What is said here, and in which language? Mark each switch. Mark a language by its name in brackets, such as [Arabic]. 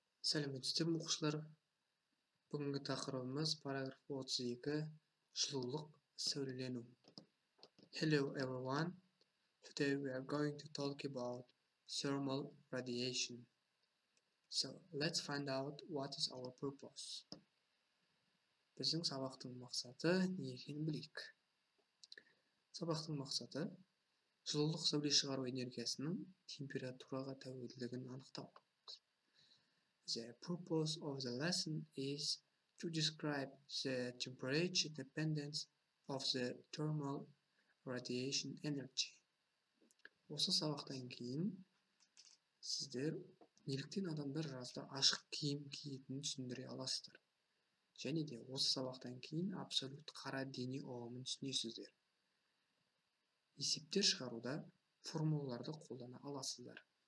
[Kazakh] Сәлеметсіздер оқушылар. Бүгінгі тақырыбымыз параграф 32 жылулық сәулелену. [English] Hello everyone. Today we are going to talk about thermal radiation. So, let's find out what is our purpose. [Kazakh] Біздің сабақтың мақсаты не екенін білейік. Сабақтың мақсаты жылулық сәуле шығару энергиясының температураға тәуелділігін анықтау. [English] The purpose of the lesson is to describe the temperature dependence of the thermal radiation energy. [Kazakh] Осы сабақтан кейін сіздер неліктен адамдар жазда ашық киім киетінін түсіндіре аласыздар. Және де осы сабақтан кейін абсолют қара дене ұғымын түсінесіздер. Есептер шығаруда формулаларды қолдана аласыздар.